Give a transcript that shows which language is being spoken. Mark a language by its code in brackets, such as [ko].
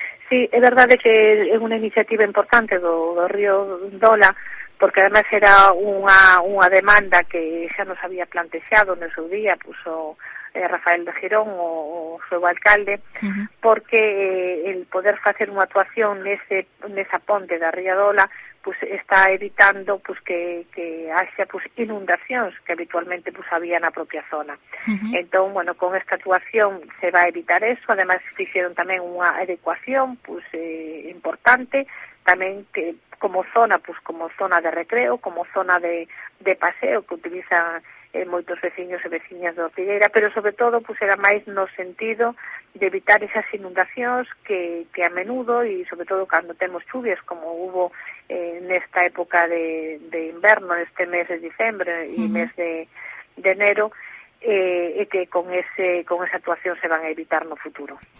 [gl] Sí, é verdade que é unha iniciativa importante do río Dola, porque además era unha demanda que xa nos había plantexado no seu día, pues, o Rafael de Girón, o seu alcalde, porque el poder facer unha actuación nesa ponte da ría Dola, pues, está evitando, pues, que haxa, pues, inundacións que habitualmente, pues, había na propia zona. [es] Entón, bueno, con esta actuación se va a evitar eso. [gl] Además, se fixeron tamén unha adecuación, pues, importante, tamén que como zona, pues, como zona de recreo, como zona de paseo que utilizan moitos veciños e veciñas de Ortigueira, pero sobre todo, pues, era máis no sentido de evitar esas inundacións que a menudo, e sobre todo cando temos chuvias, como hubo nesta época de inverno, neste mes de dicembre e mes de enero, [es] que con esa actuación se van a evitar no futuro.